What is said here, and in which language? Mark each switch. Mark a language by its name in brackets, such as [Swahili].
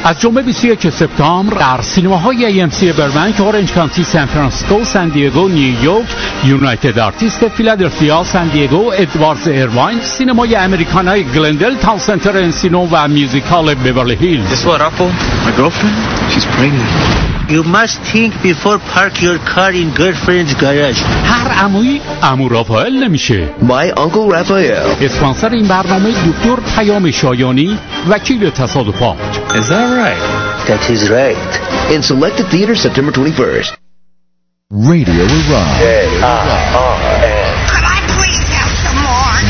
[Persian] از جمعه 21 سپتامبر در سینماهای AMC برمنک، اورنج کانتی، سان فرانسیسکو، سان دیگو، نیویورک، یونایتد آرتست، فیلادلفیا، سان دیگو، ادواردز ایرواین، سینمای آمریکایی گلندل، تاون سنتر انسینو و میوزیکال بیورلی. [English] Guess what, Apple? My girlfriend? She's pregnant. You must think before park your car in girlfriend's garage. [Persian] هر عموی عمو رافائل نمیشه. [English] My Uncle Raphael. [Persian] اسپانسر این برنامه دکتر پیام شایانی، وکیل تصادفات. [English] Is that right? That is right. In selected theaters September 21st. Radio Iran. Can I please have some more?